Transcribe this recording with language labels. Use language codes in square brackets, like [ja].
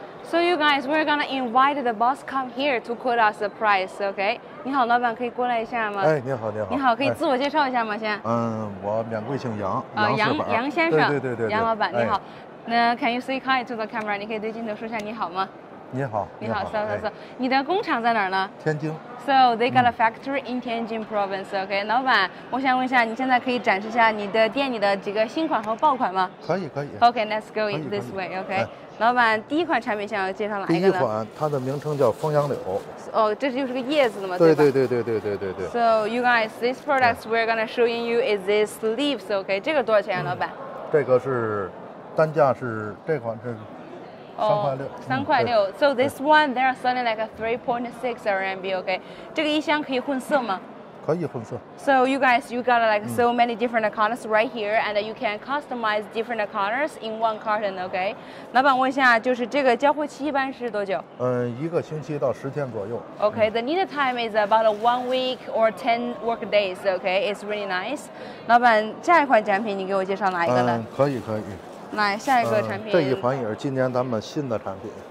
[en] So you guys, we're gonna invite the boss come here to quote us the price, okay? [zh] 你好，老板可以过来一下吗？哎，你好，你好。你好，可以自我介绍一下吗，先？嗯，我免贵姓杨，杨先生。对对 对, 对, 对杨老板，你好。那 [en] can you say hi to the camera？ [zh] 你可以对镜头说一下你好吗？你好，你好，你好，是是是。你的工厂在哪儿呢？天津。 [en] So they got a factory in Tianjin province, okay? [zh] 老板，我想问一下，你现在可以展示一下你的店里的几个新款和爆款吗？可以，可以。 [en] Okay, let's go in this way, okay? [zh] 老板，第一款产品想要介绍哪一个呢？第一款，它的名称叫枫杨柳。哦，这就是个叶子的嘛，对吧？对对对对对对对。 [en] So you guys, this product we're gonna showing you is this leaves, okay? [zh] 这个多少钱啊，老板？这个是单价是这款是三块六。 [en] So this one, they are selling like a 3.6 RMB, okay? [zh] 这个一箱可以混色吗？可以混色。 [en] So you guys, you got like so many different colors right here, and you can customize different colors in one carton, okay? [zh] 老板问一下，就是这个交货期一般是多久？一个星期到十天左右。 [en] Okay, the need time is about 1 week or 10 work days, okay? It's really nice. [zh] 老板，下一款产品你给我介绍哪一个呢？可以可以。来，下一个产品。这一款也是今年咱们新的产品。